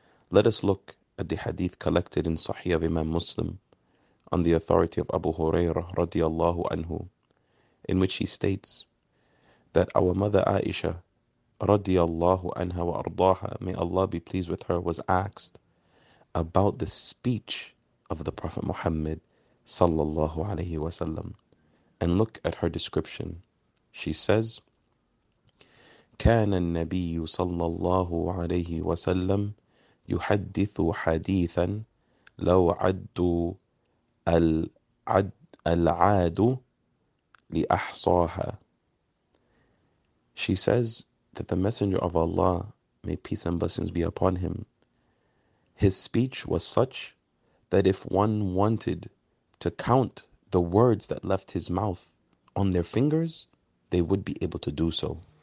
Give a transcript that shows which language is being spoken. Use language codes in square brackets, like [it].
[en] Let us look at the hadith collected in Sahih of Imam Muslim on the authority of Abu Hurairah radiallahu anhu, in which he states that our mother Aisha radiallahu anha wa ardaha, may Allah be pleased with her, was asked about the speech of the Prophet Muhammad sallallahu alayhi wa sallam. And look at her description. She says, [ar] كَانَ النَّبِيُّ صَلَّى اللَّهُ عَلَيْهِ وَسَلَّمْ يُحَدِّثُ حَدِيثًا لَوْ عَدُّ الْعَادُ لِأَحْصَاهَا. [en] She says that the Messenger of Allah, may peace and blessings be upon him, his speech was such that if one wanted to count the words that left his mouth on their fingers, they would be able to do so.